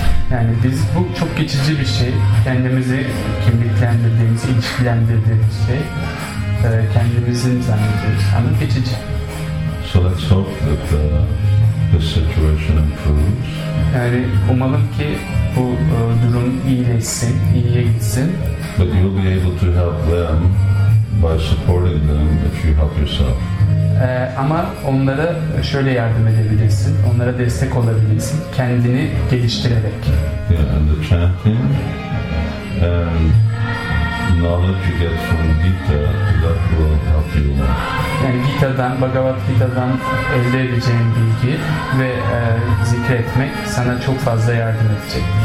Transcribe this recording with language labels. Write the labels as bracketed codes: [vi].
[tr] Yani biz bu çok geçici bir şey, kendimizi kimliklendirdiğimiz, ilişkilendirdiğimiz şey, kendimizin zannediyoruz ama geçici. [en] So let's hope that the situation improves. [tr] Yani umalım ki bu durum iyileşsin, iyiye gitsin. [en] But you'll be able to help them by supporting them if you help yourself. [tr] Ama onlara şöyle yardım edebilirsin, onlara destek olabilirsin, kendini geliştirerek. [en] Yeah, and the chanting and knowledge you get from Gita, that will help you a lot. [tr] Yani Gita'dan, Bhagavad Gita'dan elde edeceğin bilgi ve zikretmek sana çok fazla yardım edecek.